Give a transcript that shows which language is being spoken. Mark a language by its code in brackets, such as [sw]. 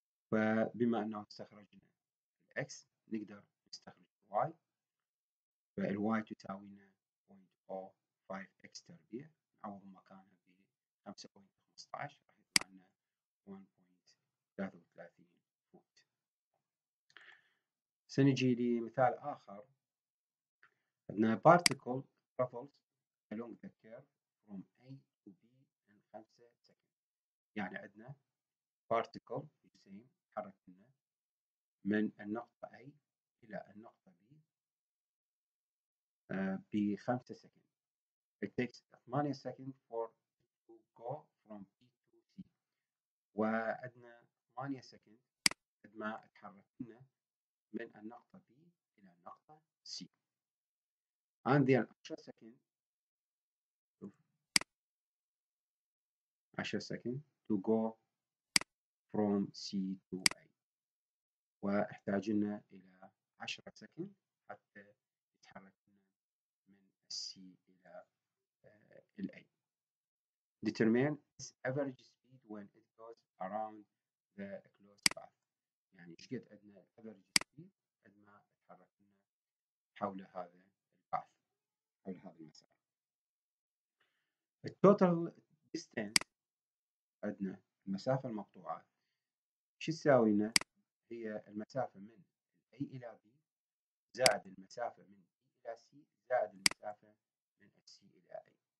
[ar] فبما أنه استخرجنا الـ X نقدر نستخرج الـ Y، فالـ Y تساوي لنا 0.05 X تربيع، نعوض مكانها بـ 5.15 راح يطلع لنا 1.33 فوت. سنجي لمثال آخر. عندنا [en] particle travels along the curve from A to B in 5 seconds. [ar] يعني عندنا particle حركنا من النقطة A إلى النقطة B بخمسة سكند. [en] It takes 8 seconds for to go from B to C. [ar] وعندنا 8 سكند قد ما تحركنا من النقطة B إلى النقطة C. [en] And then 10 seconds to go from C to A. [ar] واحتاج لنا الى 10 سكند حتى يتحرك من السي الى الاي. [en] Determine its average speed when it goes around the closed path. [ar] يعني ايش قد عندنا average speed قد ما يتحرك لنا حول هذا الباث، حول هذا المسار. Total distance عندنا المسافه المقطوعه شو تساوي لنا؟ هي المسافة من A إلى B زائد المسافة من B إلى C زائد المسافة من C إلى A.